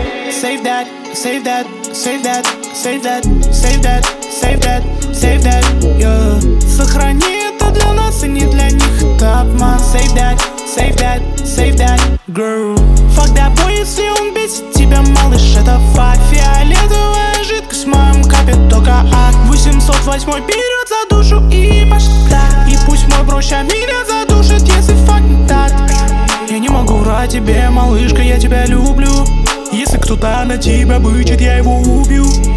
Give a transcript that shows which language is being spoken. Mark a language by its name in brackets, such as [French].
[English] save that, save that, save that, save that, save that, save that, yeah. [Russian] Сохрани это для нас и не для них, это обман. [English] Save that, save that, save that, girl. Fuck that boy, [Russian] если он бесит тебя, малыш, это факт. Фиолетовая жидкость в моем капе, только акт. 808 берет за душу и пошла. И пусть мой прочь, а меня задушит, если факт не так. Я не могу врать тебе, малышка, я тебя люблю. Если кто-то на тебя бычит, я его убью.